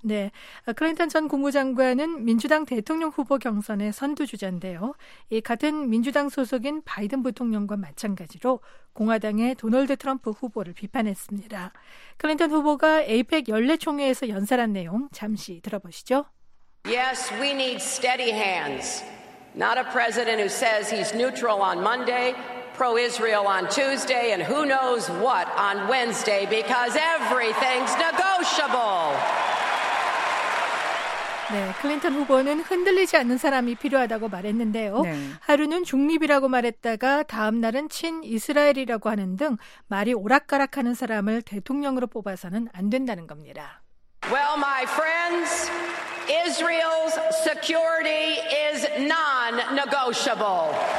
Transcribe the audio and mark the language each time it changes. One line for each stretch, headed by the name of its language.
Korean: 네, 클린턴 전 국무장관은 민주당 대통령 후보 경선의 선두주자인데요. 이 같은 민주당 소속인 바이든 부통령과 마찬가지로 공화당의 도널드 트럼프 후보를 비판했습니다. 클린턴 후보가 APEC 연례총회에서 연설한 내용 잠시 들어보시죠.
English: Yes, we need steady hands. Not a president who says he's neutral on Monday, pro-Israel on Tuesday, and who knows what on Wednesday, because everything's negotiable.
Korean: 네, 클린턴 후보는 흔들리지 않는 사람이 필요하다고 말했는데요. 네. 하루는 중립이라고 말했다가 다음 날은 친이스라엘이라고 하는 등 말이 오락가락하는 사람을 대통령으로 뽑아서는 안 된다는 겁니다.
English: Well, my friends, Israel's security is non-negotiable.